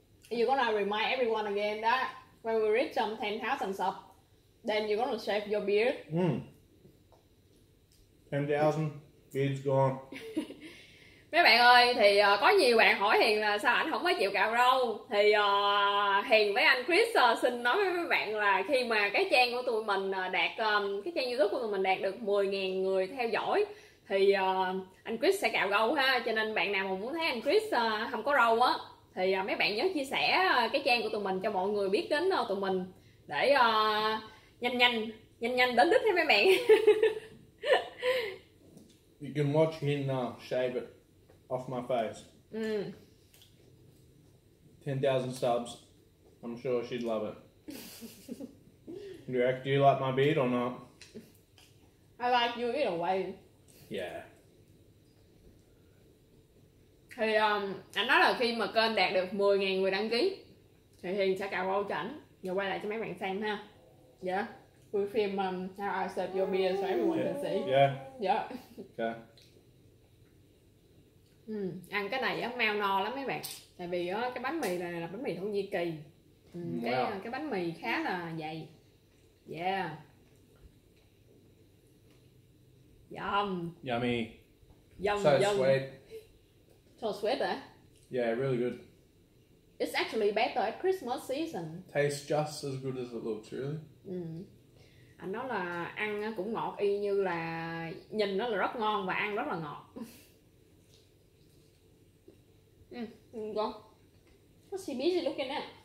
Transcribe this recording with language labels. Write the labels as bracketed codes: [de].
[en] You're gonna remind everyone again that when we reach some 10,000 subs, then you're gonna shave your beard. 10,000, beard's gone. [vi] Mấy bạn ơi, thì có nhiều bạn hỏi Hiền là sao ảnh không có chịu cạo râu. Thì Hiền với anh Chris xin nói với mấy bạn là khi mà cái trang của tụi mình đạt, cái trang YouTube của tụi mình đạt được 10,000 người theo dõi, thì anh Chris sẽ cạo râu ha. Cho nên bạn nào mà muốn thấy anh Chris không có râu á, thì mấy bạn nhớ chia sẻ cái trang của tụi mình cho mọi người biết đến tụi mình, để nhanh đến đích nha mấy bạn. [en] You can watch him now shave it off my face. 10,000 subs, I'm sure she'd love it. Do you like my beard or not? I like you in a way. Yeah. [vi] Thì anh nói là khi mà kênh đạt được 10,000 người đăng ký thì Hiền sẽ cạo râu cho ảnh và quay lại cho mấy bạn xem ha. Yeah. [en] We film how I shave your beard so everyone can see. Yeah. Okay. [vi] Ăn cái này á mau no lắm mấy bạn. Tại vì á cái bánh mì này là bánh mì Thổ Nhĩ Kỳ. Cái bánh mì khá là dày. [en] Yeah. Yum. Yummy. Yum, so yum. Sweet. So sweet, eh? Yeah, really good. It's actually better at Christmas season. Tastes just as good as it looks, really. [vi] Anh nói là ăn cũng ngọt y như là nhìn nó là rất ngon và ăn rất là ngọt. Ngon. [en] What's he busy looking at?